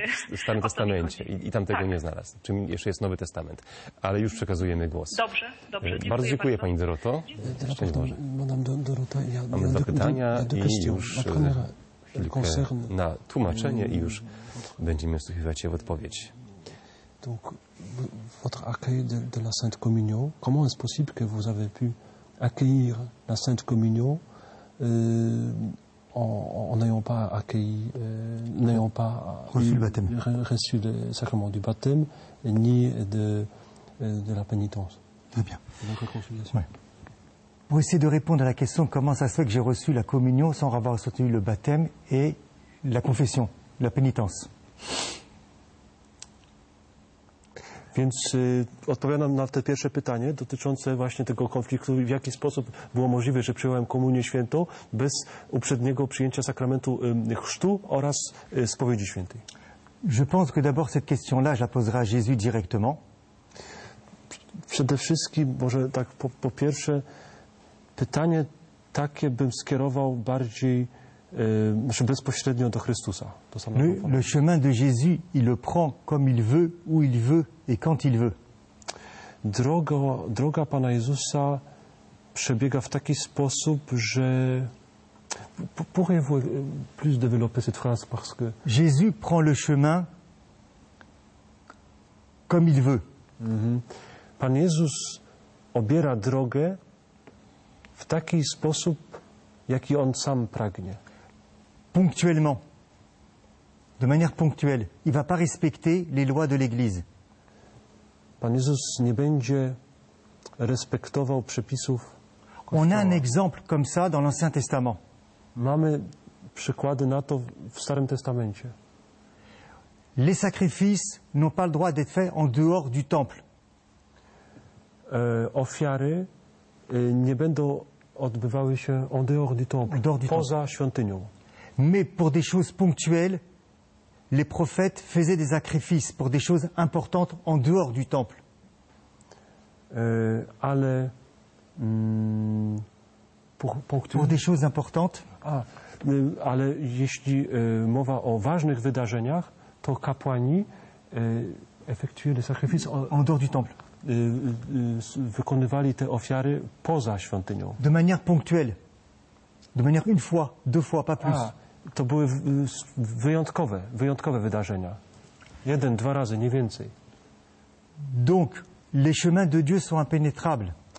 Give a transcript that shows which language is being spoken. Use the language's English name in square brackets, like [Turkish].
[Polish] W Starym Testamencie i tam tego nie znalazł. Czym jeszcze jest Nowy Testament. Ale już przekazujemy głos. Dobrze. Bardzo dziękuję pani Doroto. Dziękuję. Mamy dwa pytania i już chwilkę na tłumaczenie i już będziemy wsłuchiwać się w odpowiedź. [French] Donc votre accueil de la Sainte Communion, comment est-ce possible que vous avez pu accueillir la Sainte Communion en n'ayant pas accueilli, n'ayant pas reçu le baptême, reçu le sacrement du baptême, ni de la pénitence. Très bien. De la réconciliation. Oui. Pour essayer de répondre à la question comment ça se fait que j'ai reçu la communion sans avoir reçu le baptême et la confession. la pénitence. [Polish] Więc odpowiadam na te pierwsze pytanie dotyczące właśnie tego konfliktu, w jaki sposób było możliwe, że przyjąłem Komunię Świętą bez uprzedniego przyjęcia sakramentu chrztu oraz spowiedzi świętej. [French] Je pense que d'abord cette question-là, je la poserai à Jésus directement. [Polish] Przede wszystkim, może tak po pierwsze, pytanie takie bym skierował bardziej bezpośrednio do Chrystusa. Do samego [French] le chemin de Jésus, il le prend comme il veut, où il veut et quand il veut. [Polish] Droga Pana Jezusa przebiega w taki sposób, że... [French] Pourriez-vous plus développer cette phrase parce que... Jésus prend le chemin comme il veut. Mm-hmm. [Polish] Pan Jezus obiera drogę w taki sposób, jaki on sam pragnie. [French] Ponctuellement. De manière ponctuelle. Il ne va pas respecter les lois de l'Église. [Polish] Pan Jezus nie będzie respektował przepisów Kościoła. [French] On a un exemple comme ça dans l'Ancien Testament. [Polish] Mamy przykłady na to w Starym Testamencie. [French] Les sacrifices n'ont pas le droit d'être faits en dehors du temple. [Polish] Ofiary nie będą odbywały się [French] en dehors du temple, [Polish] poza świątynią. [French] Mais pour des choses ponctuelles, les prophètes faisaient des sacrifices pour des choses importantes en dehors du temple. [Polish] Ale [French] pour des choses importantes. [Polish] Ale jeśli mowa o ważnych wydarzeniach, to kapłani [French] effectuaient des sacrifices en dehors du temple. [Polish] Wykonywali te ofiary poza świątynią. [French] De manière ponctuelle. De manière une fois, deux fois, pas plus. [Polish] To były wyjątkowe wydarzenia. Jeden, dwa razy, nie więcej. [French] Donc, les chemins de Dieu sont impénétrables.